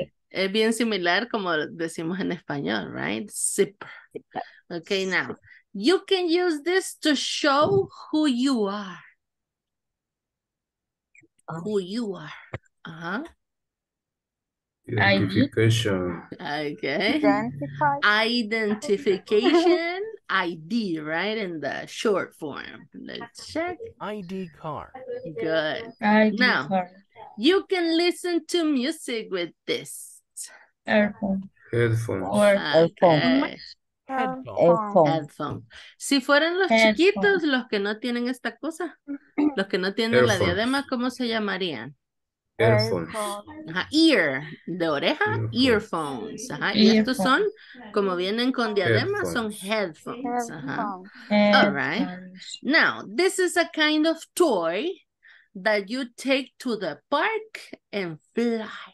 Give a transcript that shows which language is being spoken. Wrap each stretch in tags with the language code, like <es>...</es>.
<es>Es bien similar como decimos en español, right?</es> <en>Zipper. Okay, now. You can use this to show who you are. Who you are. Identification. Okay. Identify. Identification. ID, right? In the short form. Let's check. ID card. Good. ID now, card. You can listen to music with this. Headphones.</en> <es>Si fueran los</es> <en>headphones.</en> <es>Chiquitos los que no tienen esta cosa, los que no tienen</es> <en>headphones.</en> <es>La diadema, ¿cómo se llamarían?</es> <en>Earphones.</en> <es>Ajá, ear, de oreja, earphones. Ajá, y estos son, como vienen con diadema, son headphones.</es> <en>Ajá. All right. Now, this is a kind of toy that you take to the park and fly.</en>